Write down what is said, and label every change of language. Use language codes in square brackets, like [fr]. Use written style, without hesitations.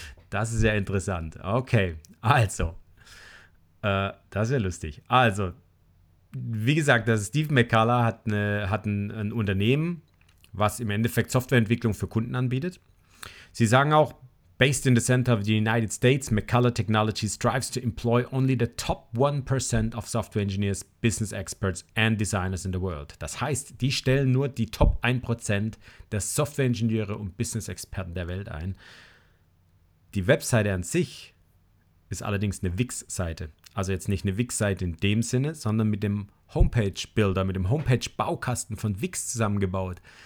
[de] Das ist ja interessant. Okay, also, das ist ja lustig. Also, wie gesagt, der Steve McCullough hat ein Unternehmen, was im Endeffekt Softwareentwicklung für Kunden anbietet. Sie sagen auch, [en] based in the center of the United States, McCullough Technology strives to employ only the top 1% of software engineers, business experts and designers in the world. [de] Das heißt, die stellen nur die Top 1% der Softwareingenieure und Business Experten der Welt ein. Die Webseite an sich ist allerdings eine Wix-Seite. Also jetzt nicht eine Wix-Seite in dem Sinne, sondern mit dem Homepage-Builder, mit dem Homepage-Baukasten von Wix zusammengebaut.